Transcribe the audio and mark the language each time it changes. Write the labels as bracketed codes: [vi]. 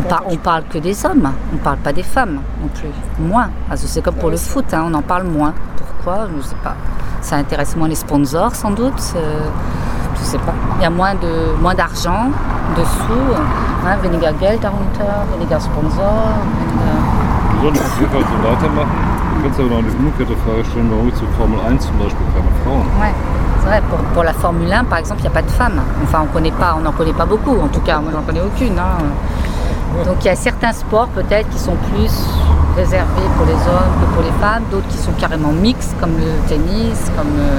[fr] On parle que des hommes, on ne parle pas des femmes non plus. Moins, parce que c'est comme pour le foot, hein, on en parle moins. Pourquoi? Je ne sais pas. Ça intéresse moins les sponsors sans doute. Je sais pas. Il y a moins d'argent dessous. [de] Hein, weniger Geld darunter, weniger Sponsor. Du solltest auf jeden Fall so weitermachen. Du kannst aber noch die umgekehrte Frage stellen, warum es zur Formel 1 zum Beispiel keine Frauen? [fr] Ouais. C'est vrai, pour la Formule 1, par exemple, il n'y a pas de femmes. Enfin, on n'en connaît pas beaucoup. En tout cas, moi, j'en connais aucune. Hein. Donc, il y a certains sports, peut-être, qui sont plus réservés pour les hommes que pour les femmes. D'autres qui sont carrément mixtes, comme le tennis, comme...